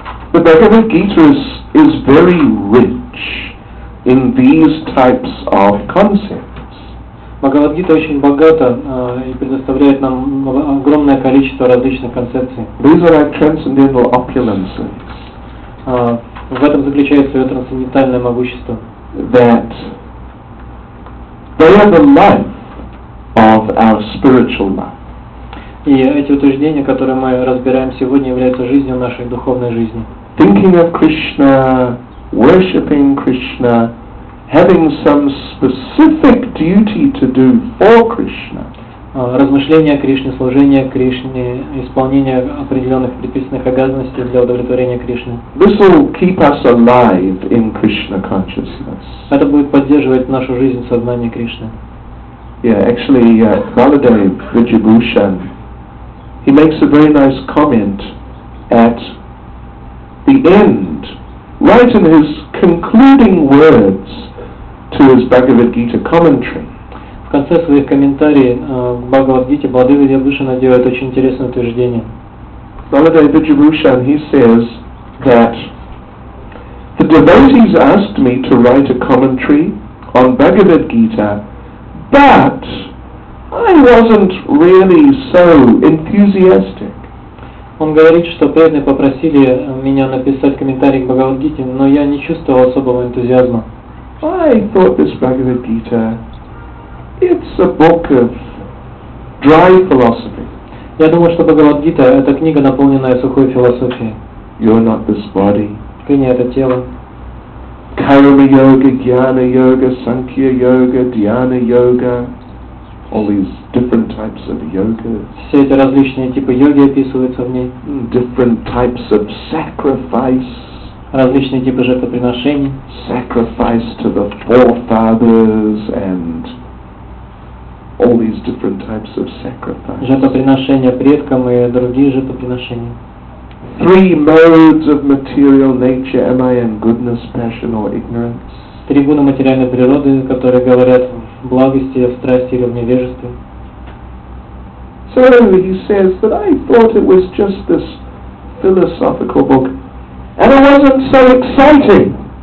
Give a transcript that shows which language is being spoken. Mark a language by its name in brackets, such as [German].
[English] The Bhagavad Gita is very rich in these types of concepts. [Russian] Bhagavad Gita очень богата и предоставляет нам огромное количество различных концепций. [English] These are our transcendental opulences. [Russian] В этом заключается ее трансцендентальное могущество. [English] That they are the life of our spiritual life. [Russian] И эти утверждения, которые мы разбираем сегодня, являются жизнью нашей духовной жизни. [English] Thinking of Krishna, worshipping Krishna, having some specific duty to do for Krishna. [Russian] Размышления о Кришне, служение Кришне, исполнение определенных предписанных обязанностей для удовлетворения Кришны. [English] This will keep us alive in Krishna consciousness. [Russian] Это будет поддерживать нашу жизнь в сознании Кришны. [English] Yeah, actually, Baladev Vijayabhushan. He makes a very nice comment at the end, right in his concluding words to his Bhagavad Gita commentary. [Russian] В конце своих комментариев к Бхагавад Гите Баладева Вибхушана делает очень интересное утверждение. [English] Баладева Вибхушана, he says that the devotees asked me to write a commentary on Bhagavad Gita, but I wasn't really so enthusiastic. [Russian] Он говорит, что преданные попросили меня написать комментарий к Бхагавад Гите, но я не чувствовал особого энтузиазма. [English] I thought this Bhagavad Gita, it's a book of dry philosophy. [Russian] Я думал, что Бхагавад Гита — это книга, наполненная сухой философией. [English] You're not this body. [Russian] Ты не это тело. [English] Karma Yoga, Jnana Yoga, Sankhya Yoga, Dhyana Yoga. All these different types of yoga. [Russian] Все эти различные типы йоги описываются в ней. [English] Different types of sacrifice. [Russian] Различные типы жертвоприношений. [English] Sacrifice to the forefathers and all these different types of sacrifice. [Russian] Жертвоприношения предкам и другие жертвоприношения. [English] Three modes of material nature: am I in goodness, passion, or ignorance? [Russian] Три вида материальной природы, которые говорят благости, страсти или в невежестве. [English] So he says that I thought it was just this philosophical book, and it wasn't so exciting.